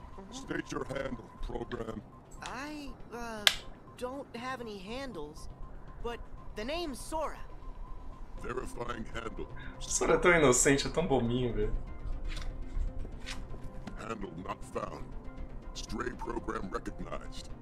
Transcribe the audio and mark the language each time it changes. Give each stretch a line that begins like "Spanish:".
English: State your handle, program. I don't have any handles, but the name's Sora. Verifying handle.
Portuguese: Sora é tão inocente, é tão bominho, velho.
English: Handle not found. Stray program recognized.